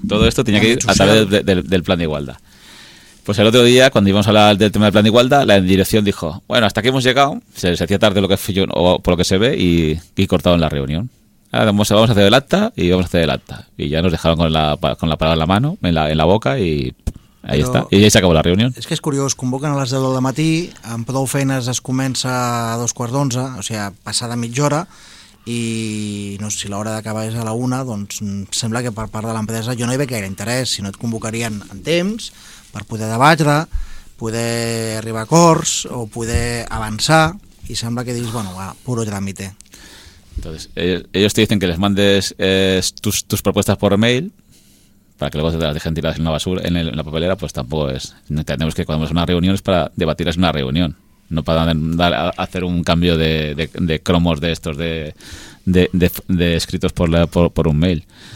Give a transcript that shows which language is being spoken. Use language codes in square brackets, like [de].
[es] Todo esto tenía que ir a través del plan de igualdad. Pues el otro día, cuando íbamos a hablar del tema del plan de igualdad, la dirección dijo, bueno, hasta aquí hemos llegado, se hacía tarde lo que fui yo, o por lo que se ve, y cortaron la reunión. Ahora vamos a hacer el acta y vamos a hacer el acta. Y ya nos dejaron con la palabra en la mano, en la boca, y ahí Però, está. [ca] I ja s'acabó la reunió. És que és curiós, convoquen a les 10 del matí, amb prou feines es comença a 2:15, o sigui, passada mitja hora, i no sé, si l'hora d'acabar és a la 1, doncs sembla que per part de l'empresa jo no hi veig gaire interès, si no et convocarien en temps per poder debatre, poder arribar a acords o poder avançar, i sembla que dius, bueno, va, [es] puro trámite. Entonces, ellos te dicen que les mandes tus propuestas por mail, para que luego te las dejen tiradas en la basura, en la papelera, pues tampoco es. Entendemos que cuando vamos a una reunión es para debatirlas en una reunión, no para hacer un cambio de cromos de estos, de escritos por un mail.